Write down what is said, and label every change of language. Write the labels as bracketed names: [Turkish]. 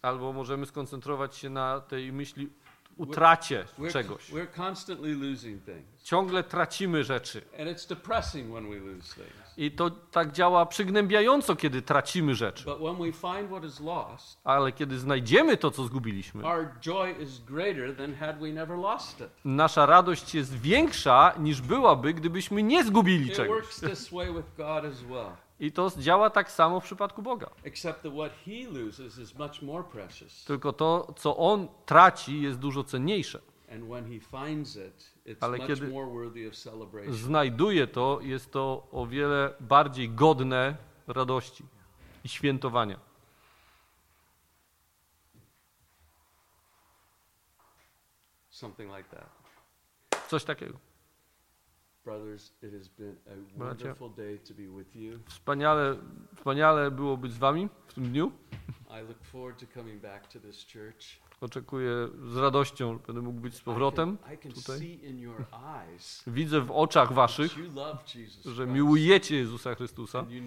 [Polish] Albo możemy skoncentrować się na tej myśli utracie czegoś. [English] We're constantly losing things. [Polish] Ciągle tracimy rzeczy. [English] And it's depressing when we lose things. [Polish] I to tak działa przygnębiająco, kiedy tracimy rzeczy. [English] But when we find what is lost, [Polish] ale kiedy znajdziemy to, co zgubiliśmy, [English] our joy is greater than had we never lost it. [Polish] Nasza radość jest większa, niż byłaby, gdybyśmy nie zgubili [English] it [Polish] czegoś. [English] Works this way with God as well. [Polish] I to działa tak samo w przypadku Boga. [English] Except that what he loses is much more precious. [Polish] Tylko to, co on traci, jest dużo cenniejsze. [English] And when he finds it, it's [Polish] ale kiedy [English] much more worthy of celebration. [Polish] Znajduje to, jest to o wiele bardziej godne radości i świętowania. [English] Something like that. [Polish] Coś takiego. [English] Brothers, it has been a wonderful day to be with you. [Polish] Wspaniale było być z wami w tym dniu. [English] I look forward to coming back to this church. [Polish] Oczekuję z radością, że będę mógł być z powrotem tutaj. Widzę w oczach waszych, że miłujecie Jezusa Chrystusa.